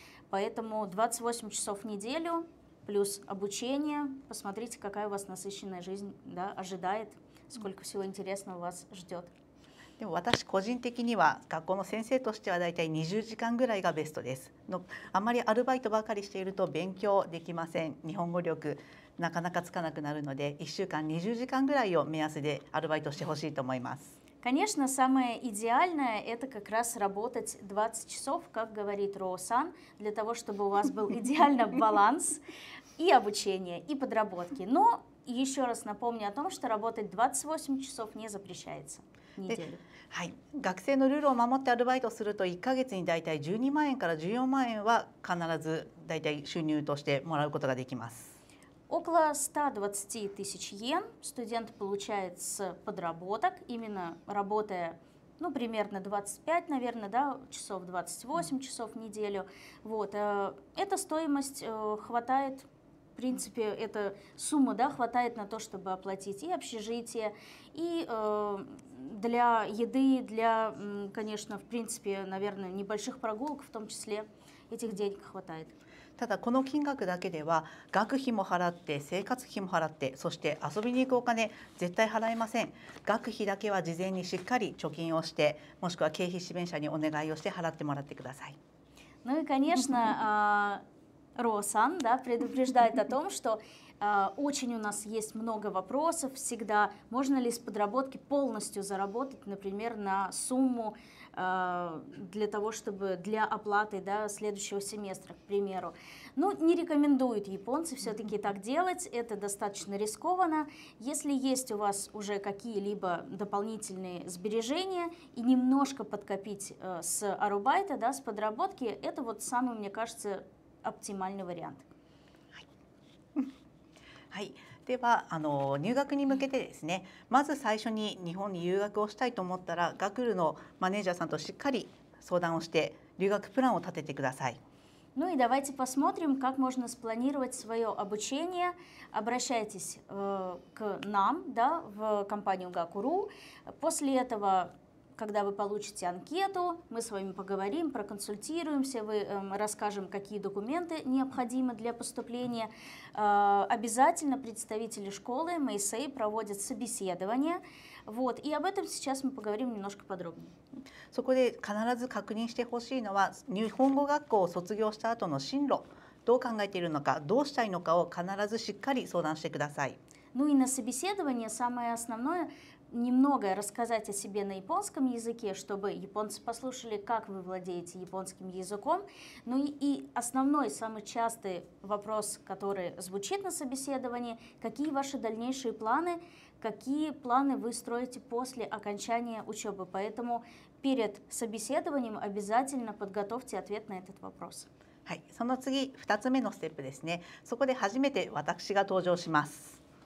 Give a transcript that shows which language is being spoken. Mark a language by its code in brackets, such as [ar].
[ru] Поэтому 28 часов в неделю плюс обучение. Посмотрите, какая у вас насыщенная жизнь, да, ожидает, сколько всего интересного вас ждет. [ja] でも私個人的には学校の先生としては大体20時間ぐらいがベストです。あまりアルバイトばかりしていると勉強できません。日本語力なかなかつかなくなるので1週間20時間ぐらいを目安でアルバイトしてほしいと思います。 [ru] Конечно, самое идеальное – это как раз работать 20 часов, как говорит Роусан, для того, чтобы у вас был идеальный баланс и обучения, и подработки. Но еще раз напомню о том, что работать 28 часов не запрещается в неделю. [ja] はい、学生のルールを守ってアルバイトすると1ヶ月にだいたい12万円から14万円は必ずだいたい収入としてもらうことができます。 [ru] около 120 тысяч йен студент получает с подработок, именно работая, ну, примерно 25, наверное, да, часов, 28 часов в неделю. Вот, эта стоимость хватает, в принципе, эта сумма, да, хватает на то, чтобы оплатить и общежитие, и для еды, для, конечно, в принципе, наверное, небольших прогулок, в том числе, этих денег хватает. [ja] ただこの金額だけでは学費も払って生活費も払ってそして遊びに行くお金絶対払えません。学費だけは事前にしっかり貯金をしてもしくは経費支弁者にお願いをして払ってもらってください。 [ru] Ну и конечно, Роусан, да, предупреждает о том, что очень у нас есть много вопросов всегда. Можно ли с подработки полностью заработать, например, на сумму для того, чтобы для оплаты, да, следующего семестра, к примеру. Ну, не рекомендуют японцы все-таки так делать, это достаточно рискованно. Если есть у вас уже какие-либо дополнительные сбережения и немножко подкопить с арубайта, да, с подработки, это вот самый, мне кажется, оптимальный вариант. [ja] では入学に向けてですね、まず最初に日本に留学をしたいと思ったら、学ルのマネージャーさんとしっかり相談をして留学プランを立ててください。 [ru] Ну и давайте посмотрим, как можно спланировать свое обучение. Обращайтесь к нам, да, в компанию Гакуру. После этого, когда вы получите анкету, мы с вами поговорим, проконсультируемся, вы расскажем, какие документы необходимы для поступления. Обязательно представители школы МСА проводят собеседование. Вот, и об этом сейчас мы поговорим немножко подробнее. [ja] そこで必ず確認してほしいのは、日本語学校を卒業した後の進路、どう考えているのか、どうしたいのかを必ずしっかり相談してください。 [ru] Ну и на собеседование самое основное немного рассказать о себе на японском языке, чтобы японцы послушали, как вы владеете японским языком. Ну и основной, самый частый вопрос, который звучит на собеседовании, какие ваши дальнейшие планы, какие планы вы строите после окончания учебы. Поэтому перед собеседованием обязательно подготовьте ответ на этот вопрос. [ja] Хай, その次、2つ目のステップですね。そこで初めて私が登場します。